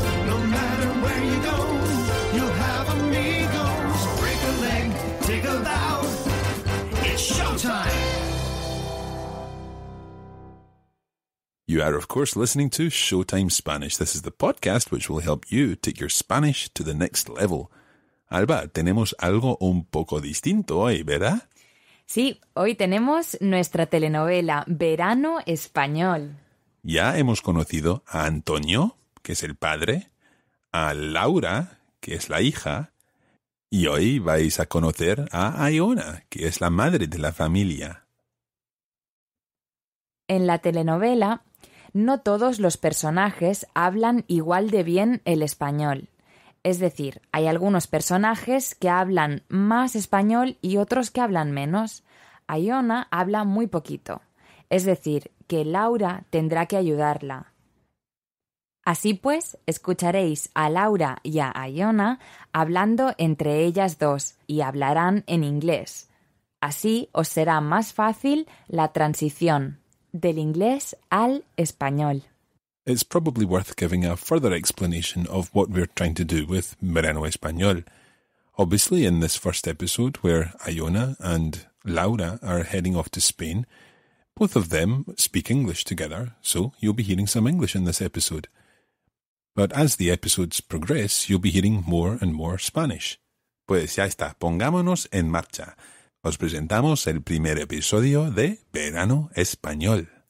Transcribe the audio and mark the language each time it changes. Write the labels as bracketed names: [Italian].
[English] No matter where you go, you'll have amigos. Break a leg, take a bow. It's showtime. You are, of course, listening to Showtime Spanish. This is the podcast which will help you take your Spanish to the next level. [Spanish] Alba, tenemos algo un poco distinto hoy, ¿verdad? Sí, hoy tenemos nuestra telenovela Verano Español. Ya hemos conocido a Antonio, que es el padre, a Laura, que es la hija, y hoy vais a conocer a Iona, que es la madre de la familia. En la telenovela, no todos los personajes hablan igual de bien el español. Es decir, hay algunos personajes que hablan más español y otros que hablan menos. Iona habla muy poquito. Es decir, que Laura tendrá que ayudarla. Así pues, escucharéis a Laura y a Iona hablando entre ellas dos y hablarán en inglés. Así os será más fácil la transición del inglés al español. [English] It's probably worth giving a further explanation of what we're trying to do with Verano Español. Obviously, in this first episode, where Iona and Laura are heading off to Spain, both of them speak English together, so you'll be hearing some English in this episode. But as the episodes progress, you'll be hearing more and more Spanish. [Spanish] Pues ya está, pongámonos en marcha. Os presentamos el primer episodio de Verano Español.